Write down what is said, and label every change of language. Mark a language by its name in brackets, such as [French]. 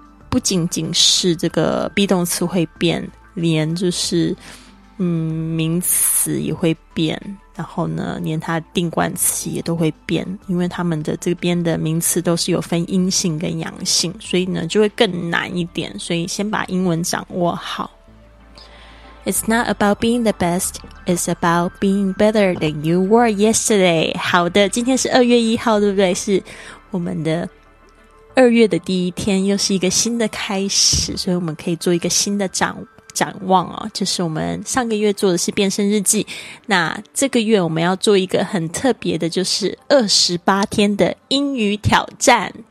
[Chinese] 不仅仅是这个 be 动词会变，连就是名词也会变，然后呢连它定冠词也都会变，因为他们的这边的名词都是有分阴性跟阳性，所以呢就会更难一点，所以先把英文掌握好。 [English] It's not about being the best, it's about being better than you were yesterday. [Chinese] 好的，今天是2月1号，对不对？是我们的2月的第一天，又是一个新的开始，所以我们可以做一个新的展望哦，就是我们上个月做的是变身日记，那这个月我们要做一个很特别的，就是28天的英语挑战。